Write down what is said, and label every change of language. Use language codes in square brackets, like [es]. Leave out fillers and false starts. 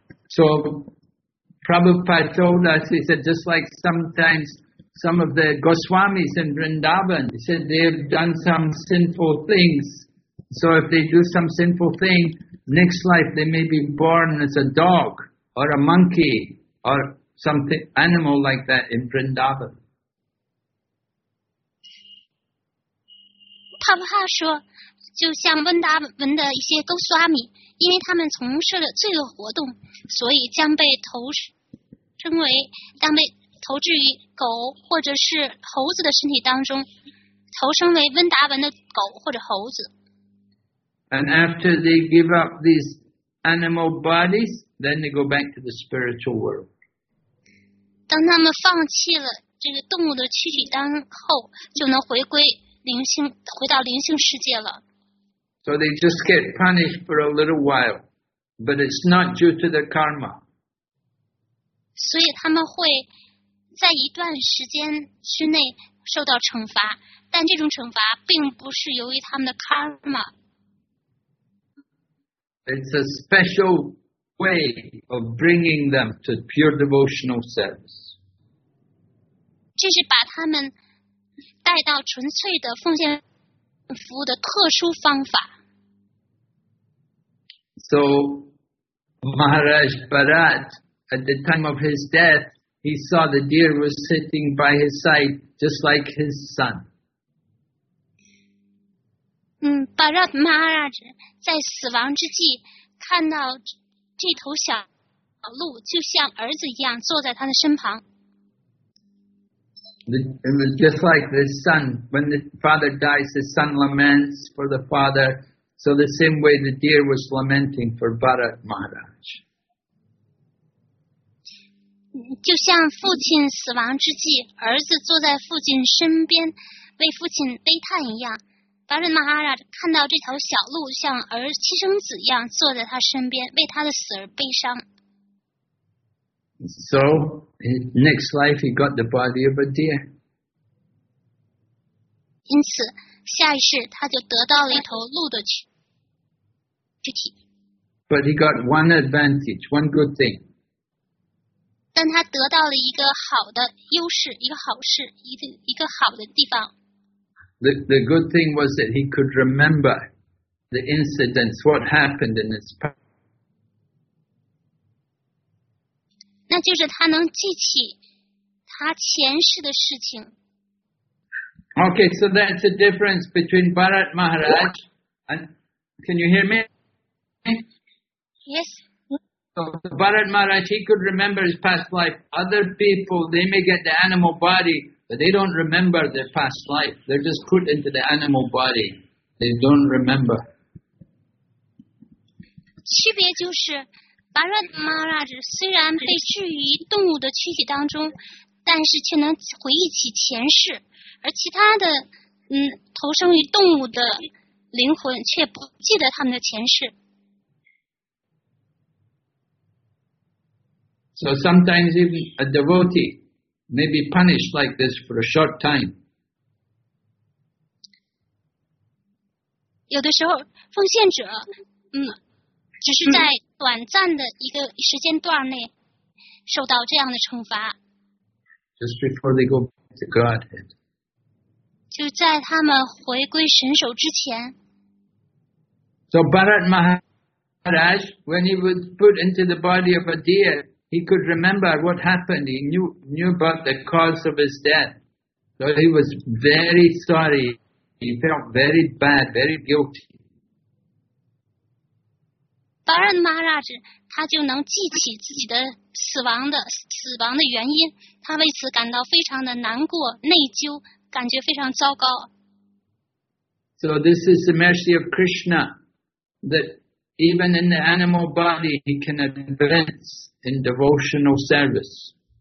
[en] So Prabhupada told us, he said, just like sometimes some of the Goswamis in Vrindavan, he said they have done some sinful things. So if they do some sinful thing, next life they may be born as a dog or a monkey or some animal like that in Vrindavan. [zh] Prabhupada 说，就像温达文的一些 Goswami，因为他们从事了罪恶活动，所以将被投称为将被投掷于狗或者是猴子的身体当中，投生为温达文的狗或者猴子。 [en] And after they give up these animal bodies, then they go back to the spiritual world. [zh] 当他们放弃了这个动物的躯体当后，就能回归灵性，回到灵性世界了。 [en] So they just get punished for a little while, but it's not due to their karma. [zh] 所以他们会在一段时间之内受到惩罚，但这种惩罚并不是由于他们的 karma. [en] It's a special way of bringing them to pure devotional service. [zh] 这是把他们带到纯粹的奉献服务的特殊方法。 [en] So, Maharaj Bharat, at the time of his death, he saw the deer was sitting by his side, just like his son. [zh] Bharat Maharaj, 在死亡之际，看到这头小鹿就像儿子一样坐在他的身旁。 [en] It was just like the son. When the father dies, the son laments for the father. So the same way the deer was lamenting for Bharat Maharaj. [zh] 就像父亲死亡之际，儿子坐在父亲身边，为父亲悲叹一样。 Bharat Maharaj 看到这条小鹿像儿亲生子一样坐在他身边，为他的死而悲伤。 [en] So, next life he got the body of a deer. [zh] 因此，下一世他就得到了一头鹿的躯。 [en] But he got one advantage, one good thing. [zh] 但他得到了一个好的优势，一个好事，一个好的地方。 [en] The good thing was that he could remember the incidents, what happened in his past. [zh] 那就是他能记起他前世的事情。 [en] Okay, so that's the difference between Bharat Maharaj and, can you hear me? Yes. So Bharat Maharaj, he could remember his past life. Other people, they may get the animal body, but they don't remember their past life. They're just put into the animal body. They don't remember. [zh] 区别就是 Bharat Maharaj 虽然被置于动物的躯体当中，但是却能回忆起前世，而其他的投生于动物的灵魂却不记得他们的前世。 [en] So sometimes even a devotee may be punished like this for a short time. [zh] 有的时候奉献者只是在短暂的一个时间段内受到这样的惩罚。 [en] Just before they go to Godhead. [zh] 就在他们回归神手之前。 [en] So Bharat Maharaj, when he was put into the body of a deer, he could remember what happened. He knew about the cause of his death. So he was very sorry. He felt very bad, very guilty. [zh] Bharat Maharaj, 他就能记起自己的死亡的原因，他为此感到非常的难过、内疚，感觉非常糟糕。 [en] So this is the mercy of Krishna. That even in the animal body, he can advance in devotional service.